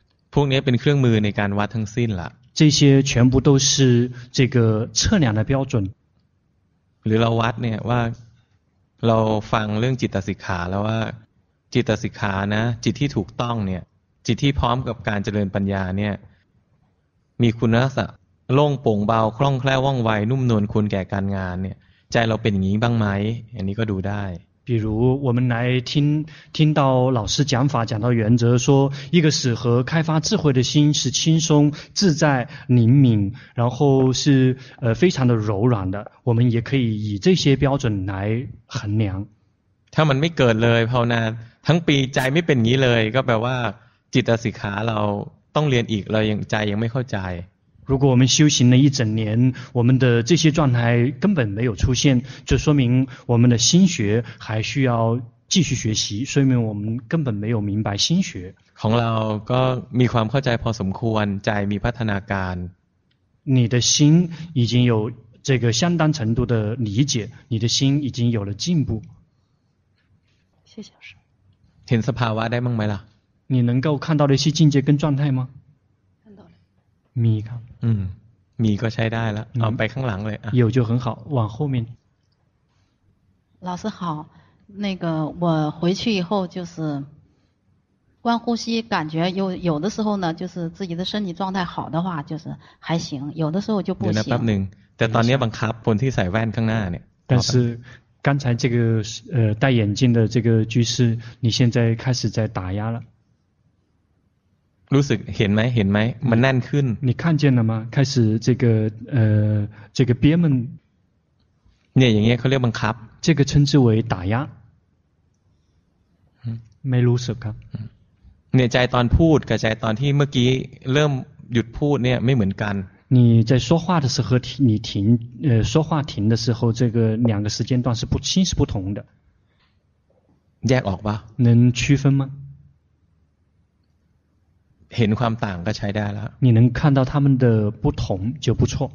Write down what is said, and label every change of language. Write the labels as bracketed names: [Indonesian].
[Thai] พวกนี้เป็นเครื่องมือในการวัดทั้งสิ้นล่ะ [Chinese] 这些全部都是这个测量的标准。 [Thai] หรือเราวัดเนี่ยว่าเราฟังเรื่องจิตสิกขาแล้วว่าจิตสิกขานะจิตที่ถูกต้องเนี่ยจิตที่พร้อมกับการเจริญปัญญาเนี่ยมีคุณลักษณะโล่งโปร่งเบาคล่องแคล่วว่องไวนุ่มนวลควรแก่การงานเนี่ยใจเราเป็นอย่างนี้บ้างไหมอันนี้ก็ดูได้ [Chinese] 比如我们来听到老师讲法讲到原则说一个适合开发智慧的心是轻松自在灵敏然后是非常的柔软的我们也可以以这些标准来衡量 [Thai] ถ้ามันไม่เกิดเลยภาวนาทั้งปีใจไม่เป็นงี้เลยก็แปลว่าจิตสิกขาเราต้องเรียนอีกเรายังใจยังไม่เข้าใจ [Chinese] 如果我们修行了一整年我们的这些状态根本没有出现就说明我们的心学还需要继续学习说明我们根本没有明白心学 [Thai] ของเราก็มีความเข้าใจพอสมควรใจมีพัฒนาการ [Chinese] 你的心已经有这个相当程度的理解你的心已经有了进步谢谢老师 [Thai] เห็นสภาวะได้มั้งไหมล่ะ [Chinese] 你能够看到的一些境界跟状态吗 [Thai] มีครับ มีก็ใช้ได้แล้วเอาไปข้างหลังเลย [Chinese] 有就很好往后面老师好那个我回去以后就是观呼吸感觉有的时候呢就是自己的身体状态好的话就是还行有的时候就不行 [Thai] แป๊บนึงแต่ตอนนี้บังคับคนที่ใส่แว่นข้างหน้าเนี่ย [Chinese] 但是刚才这个戴眼镜的这个居士你现在开始在打压了 [Thai] รู้สึกเห็นไหมเห็นไหมมันแน่นขึ้น [Chinese] 你看见了吗开始这个这个憋闷 [Thai] เนี่ยอย่างเงี้ยเขาเรียกบังคับ [Chinese] 这个称之为打压 [Thai] ไม่รู้สึกครับ เนี่ยใจตอนพูดกับใจตอนที่เมื่อกี้เริ่มหยุดพูดเนี่ยไม่เหมือนกัน [Chinese] 你在说话的时候你停说话停的时候这个两个时间段是不清是不同的 [Thai] แยกออกป่ะ [Chinese] 能区分吗 [Thai] เห็นความต่างก็ใช้ได้แล้ว [Chinese] 你能看到他们的不同就不错